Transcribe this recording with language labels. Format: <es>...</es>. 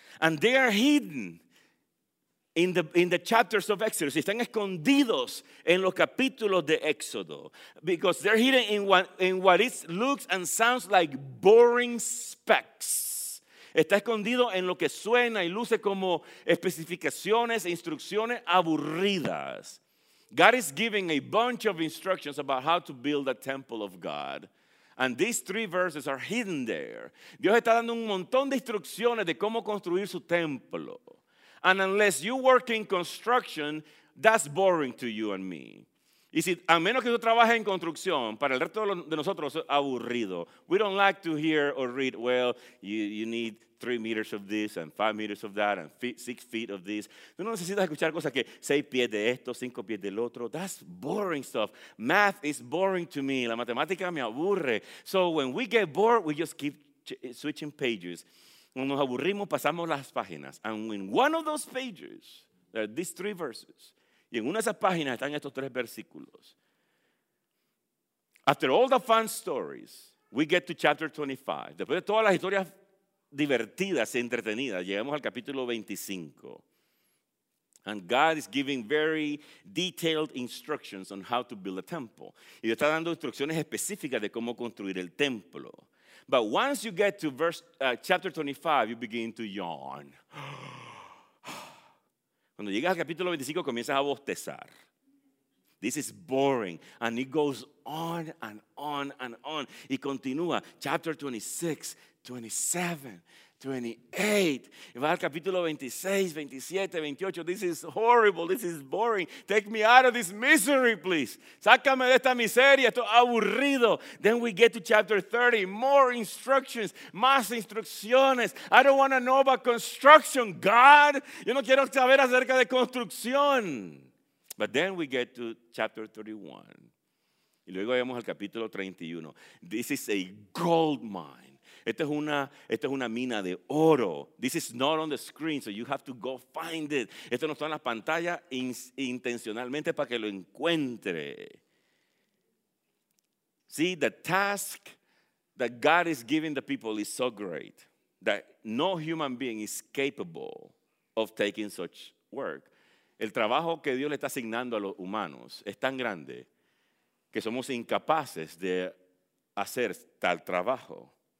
<en>And they are hidden. In the chapters of Exodus,</en> <es>están escondidos en los capítulos de Éxodo,</es> <en>because they're hidden in what looks and sounds like boring specs.</en> <es>está escondido en lo que suena y luce como especificaciones e instrucciones aburridas.</es> <en>God is giving a bunch of instructions about how to build a temple of God. And these three verses are hidden there.</en> <es>Dios está dando un montón de instrucciones de cómo construir su templo.</es> <en>And unless you work in construction, that's boring to you and me.</en> <es>Y si, a menos que tú trabajes en construcción, para el resto de nosotros es aburrido.</es> <en>We don't like to hear or read, well, you need 3 meters of this and 5 meters of that and 6 feet of this.</en> <es>Tú no necesitas escuchar cosas que 6 pies de esto, 5 pies del otro.</es> <en>That's boring stuff. Math is boring to me.</en> <es>La matemática me aburre.</es> <en>So when we get bored, we just keep switching pages.</en> <es>Cuando nos aburrimos, pasamos las páginas.</es> <en>And in one of those pages, there are these three verses.</en> <es>Y en una de esas páginas están estos tres versículos.</es> <en>After all the fun stories, we get to chapter 25.</en> <es>Después de todas las historias divertidas y entretenidas, llegamos al capítulo 25.</es> <en>And God is giving very detailed instructions on how to build a temple.</en> <es>Y está dando instrucciones específicas de cómo construir el templo.</es> <en>But once you get to chapter 25, you begin to yawn.</en> <es>Cuando llegas al capítulo 25, comienzas a bostezar.</es> <en>This is boring. And it goes on and on and on.</en> <es>Y continúa.</es> <en>Chapter 26, 27, 28.</en> <es>Y va al capítulo 26, 27, 28.</es> <en>This is horrible. This is boring. Take me out of this misery, please.</en> <es>Sácame de esta miseria. Esto es aburrido.</es> <en>Then we get to chapter 30. More instructions.</en> <es>Más instrucciones.</es> <en>I don't want to know about construction, God.</en> <es>Yo no quiero saber acerca de construcción.</es> <en>But then we get to chapter 31.</en> <es>Y luego llegamos al capítulo 31.</es> <en>This is a gold mine.</en> <es>Esto es una mina de oro.</es> <en>This is not on the screen, so you have to go find it.</en> <es>Esto no está en la pantalla intencionalmente para que lo encuentre.</es> <en>See, the task that God is giving the people is so great that no human being is capable of taking such work.</en> <es>El trabajo que Dios le está asignando a los humanos es tan grande que somos incapaces de hacer tal trabajo.</es>